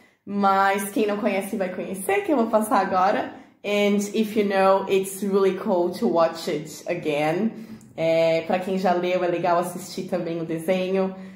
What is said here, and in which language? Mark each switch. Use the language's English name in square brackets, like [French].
[Portuguese] Mas quem não conhece vai conhecer, que eu vou passar agora. [English] And if you know, it's really cool to watch it again. [Portuguese] Para quem já leu, é legal assistir também o desenho.